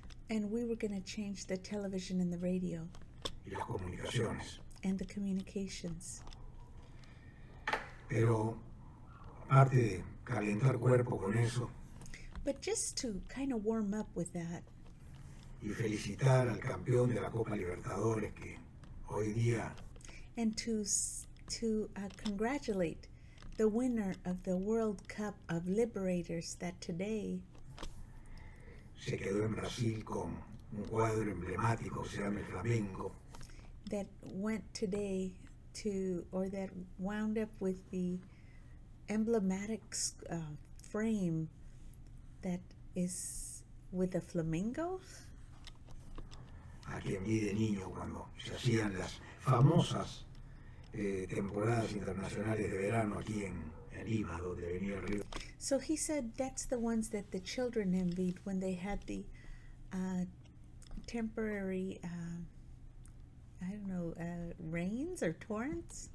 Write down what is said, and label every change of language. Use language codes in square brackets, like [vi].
[en] And we were going to change the television and the radio. [es] Y las comunicaciones. [en] And the communications. [es] Pero aparte de calentar cuerpo con eso. [en] But just to kind of warm up with that. [es] Y felicitar al campeón de la Copa Libertadores que hoy día. [en] And to congratulate the winner of the World Cup of Liberators that today. [es] Se quedó en Brasil con un cuadro emblemático que se llama el Flamengo. [en] That went today to, or that wound up with the emblematic frame that is with the Flamengo. [es] A quien vi de niño cuando se hacían las famosas temporadas internacionales de verano aquí en Lima, donde venía el río. [en] So he said that's the ones that the children envied when they had the temporary, I don't know, rains or torrents.